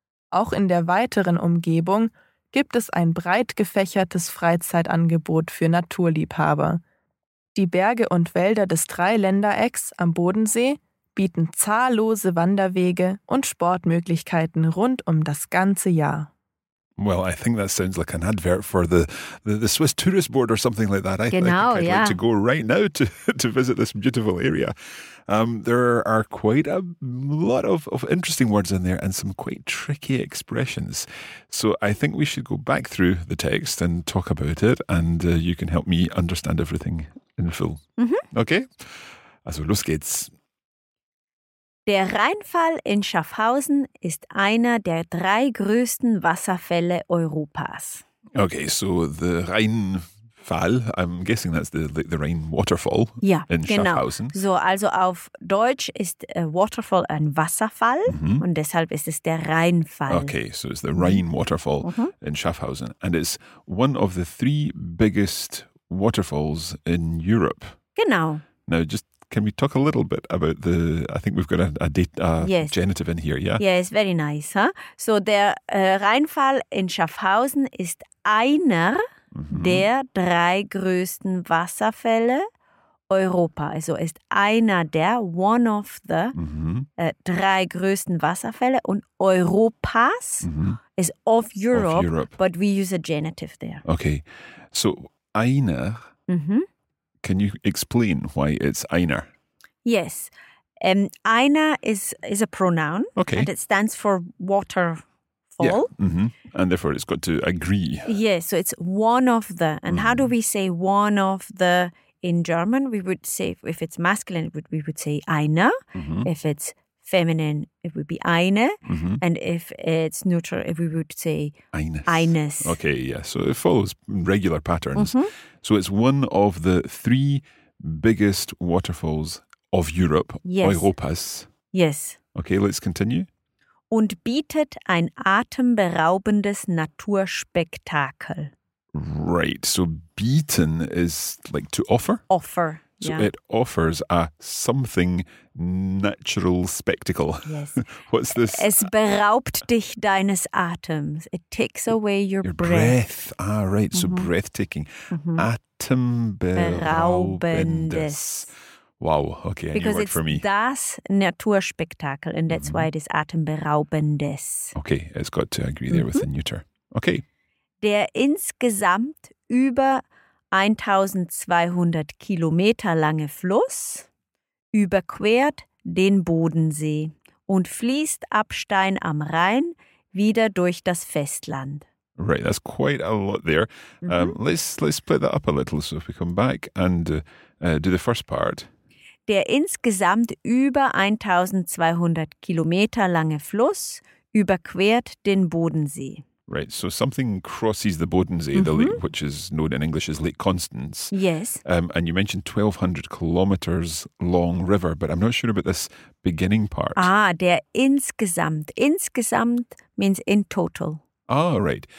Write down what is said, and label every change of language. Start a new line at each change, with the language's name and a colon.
German: Auch in der weiteren Umgebung gibt es ein breit gefächertes Freizeitangebot für Naturliebhaber. Die Berge und Wälder des Dreiländerecks am Bodensee bieten zahllose Wanderwege und Sportmöglichkeiten rund um das ganze Jahr.
English: Well, I think that sounds like an advert for the Swiss Tourist Board or something like that. I'd like to go right now to visit this beautiful area. There are quite a lot of interesting words in there and some quite tricky expressions. So I think we should go back through the text and talk about it, and you can help me understand everything in full. Mm-hmm.
German: Okay? Also los geht's. Der Rheinfall in Schaffhausen ist einer der drei größten Wasserfälle Europas.
English: Okay, so the Rheinfall, I'm guessing that's the Rhine waterfall,
German: ja, in Schaffhausen. Genau. So, also auf Deutsch ist waterfall ein Wasserfall, mm-hmm, und deshalb ist es der Rheinfall.
English: Okay, so it's the Rhine waterfall, mm-hmm, in Schaffhausen, and it's one of the three biggest waterfalls in Europe.
German: Genau.
English: Now just, can we talk a little bit about the, I think we've got a genitive in here, yeah? Yes, very nice. Huh?
German: So der Rheinfall in Schaffhausen ist einer, mm-hmm, der drei größten Wasserfälle Europa. Also ist einer der,
English: one of the, mm-hmm,
German: drei größten Wasserfälle, und Europas,
English: mm-hmm, is of Europe, but we use a genitive there. Okay, so einer. Mm-hmm. Can you explain why it's einer? Yes. Einer is a pronoun. Okay. And it stands for waterfall. Yeah. Mm-hmm. And therefore it's got to agree. Yes. So it's one of the. And mm-hmm, how do we say one of the in German? We would say, if it's masculine, we would say einer. Mm-hmm. If it's feminine, it would be eine. Mm-hmm. And if it's neutral, we would say eines. Okay, yeah. So it follows regular patterns. Mm-hmm. So it's one of the three biggest waterfalls of Europe, yes.
German: Europas.
English: Yes. Okay, let's continue.
German: Und bietet ein atemberaubendes Naturspektakel.
English: Right. So bieten is like to offer. Offer. So yeah, it offers a something natural spectacle. Yes. What's this?
German: Es beraubt dich deines Atems.
English: It takes away your breath. Ah, right. Mm-hmm. So breathtaking. Mm-hmm. Atemberaubendes. Wow. Okay, because a new word for me. Because it's das Naturspektakel, and that's, mm-hmm, why it is atemberaubendes. Okay, it's got to agree there, mm-hmm, with the neuter. Okay.
German: Der insgesamt über 1200 Kilometer lange Fluss überquert den Bodensee und fließt ab Stein am Rhein wieder durch das Festland.
English: Right, that's quite a lot there. Mm-hmm. Let's split that up a little, so if we come back and do the first part.
German: Der insgesamt über 1200 Kilometer lange Fluss überquert den Bodensee.
English: Right, so something crosses the Bodensee, mm-hmm, the lake, which is known in English as Lake Constance. Yes. And you mentioned 1,200 kilometers long river, but I'm not sure about this beginning part. Ah, der insgesamt. Insgesamt means in total. Ah, right.